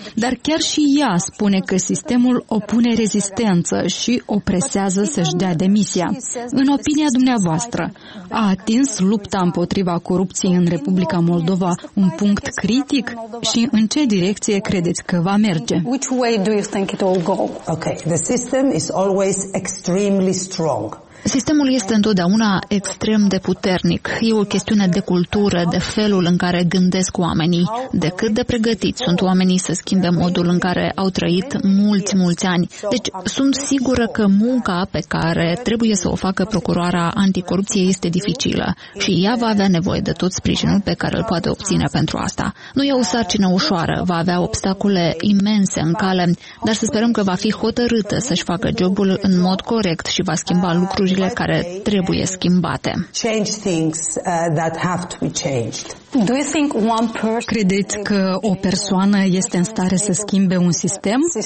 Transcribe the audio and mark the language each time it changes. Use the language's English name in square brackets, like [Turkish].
[Romanian] Dar chiar și ea spune că sistemul opune rezistență și o presează să-și dea demisia. În opinia dumneavoastră, a atins lupta împotriva corupției în Republica Moldova un punct critic și în ce direcție credeți că va merge? [English] Which way do you think it will go? Okay, the system is always extremely strong. [Romanian] Sistemul este întotdeauna extrem de puternic. E o chestiune de cultură, de felul în care gândesc oamenii, de cât de pregătiți sunt oamenii să schimbe modul în care au trăit mulți, mulți ani. Deci sunt sigură că munca pe care trebuie să o facă Procuroara Anticorupție este dificilă și ea va avea nevoie de tot sprijinul pe care îl poate obține pentru asta. Nu e o sarcină ușoară, va avea obstacole imense în cale, dar să sperăm că va fi hotărâtă să-și facă jobul în mod corect și va schimba lucrurile care trebuie schimbate. [English] Change things that have to be changed. Do you think one person? [Romanian] Credeți că o persoană este în stare să schimbe un sistem?